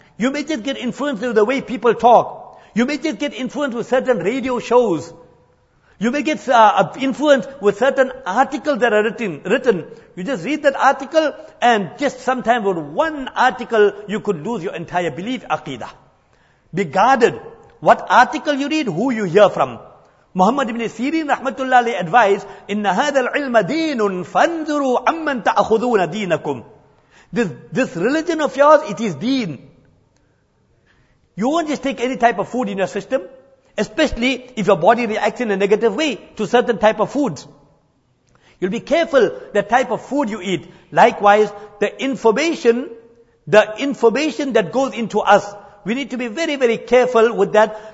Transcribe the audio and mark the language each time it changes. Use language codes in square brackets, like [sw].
[en] You may just get influenced with the way people talk. You may just get influenced with certain radio shows. You may get influenced with certain articles that are written. You just read that article, and just sometimes with one article, you could lose your entire belief, aqidah. Be guarded. What article you read, who you hear from. Muhammad ibn Sirin rahmatullah alayhi advised, [ar] إِنَّ هَذَا الْعِلْمَ دِينٌ فَانْذُرُوا عَمَّنْ تَأْخُذُونَ دِينَكُمْ. [en] This religion of yours, it is deen. You won't just take any type of food in your system, especially if your body reacts in a negative way to certain type of foods. You'll be careful the type of food you eat. Likewise, the information that goes into us, we need to be very, very careful with that.